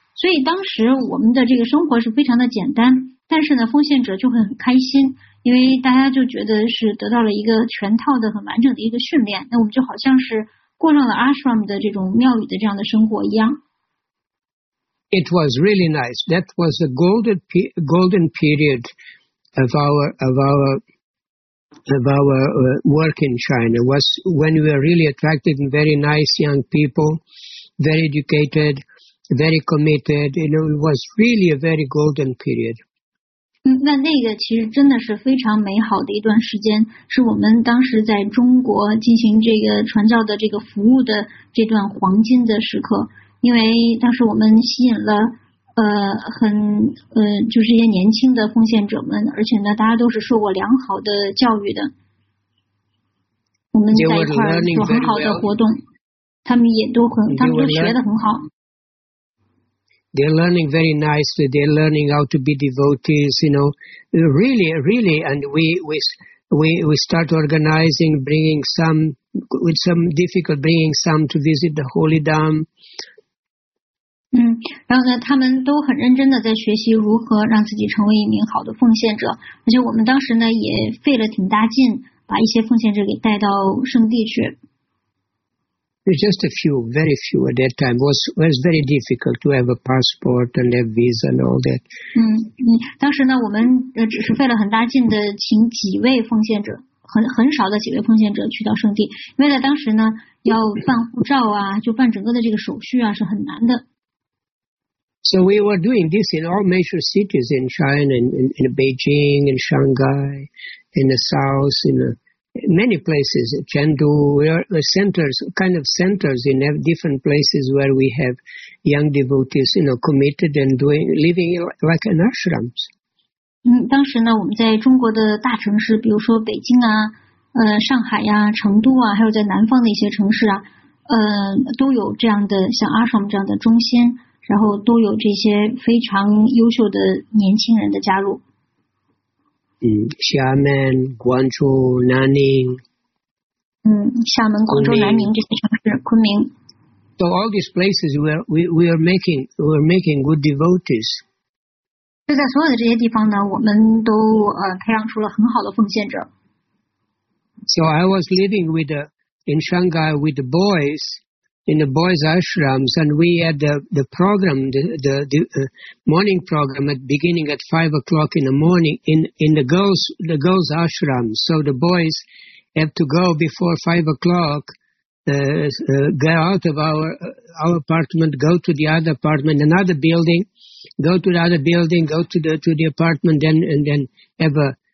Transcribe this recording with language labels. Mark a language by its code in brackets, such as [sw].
[zh] 所以当时我们的这个生活是非常的简单，但是呢奉献者就会很开心，因为大家就觉得是得到了一个全套的很完整的一个训练，那我们就好像是过上了 ashram 的这种庙宇的这样的生活一样。 [en] It was really nice. That was a golden period of our work in China. Was when we were really attracted very nice young people, very educated, very committed. You know, it was really a very golden period. [zh] 那个其实真的是非常美好的一段时间，是我们当时在中国进行这个传教的这个服务的这段黄金的时刻。因为当时我们吸引了就是一些年轻的奉献者们，而且呢大家都是受过良好的教育的，我们在一块儿做很好的活动，他们都学得很好。 [en] They're learning very nicely. They're learning how to be devotees, you know, really, really. And we start organizing, bringing some with some difficult, bringing some to visit the Holy Dham. [zh] 然后呢他们都很认真的在学习如何让自己成为一名好的奉献者，而且我们当时呢也费了挺大劲把一些奉献者给带到圣地去。 [en] Just a few, very few at that time. It was very difficult to have a passport and a visa and all that. [zh] 当时呢我们只是费了很大劲的请几位奉献者，很少的几位奉献者去到圣地，因为在当时呢要办护照啊，就办整个的这个手续啊是很难的。 [en] So we were doing this in all major cities in China, in Beijing, in Shanghai, in the south, in many places, Chengdu. We are centers, kind of centers in different places where we have young devotees, you know, committed and living like an ashrams. [zh] 当时呢我们在中国的大城市，比如说北京啊，上海呀，成都啊，还有在南方的一些城市啊，都有这样的像 ashram 这样的中心。然后都有这些非常优秀的年轻人的加入。厦门、广州、南宁。厦门、广州、南宁这些城市，昆明。 [en] So all these places we are making good devotees. [zh] 就在所有的这些地方呢，我们都培养出了很好的奉献者。 [en] So I was living in Shanghai with the boys. In the boys' ashrams, and we had the program, the morning program at beginning at 5 o'clock in the morning in the girls' ashrams. So the boys have to go before 5 o'clock, get out of our apartment, go to the other apartment, another building, go to the other building, go to the apartment, then have a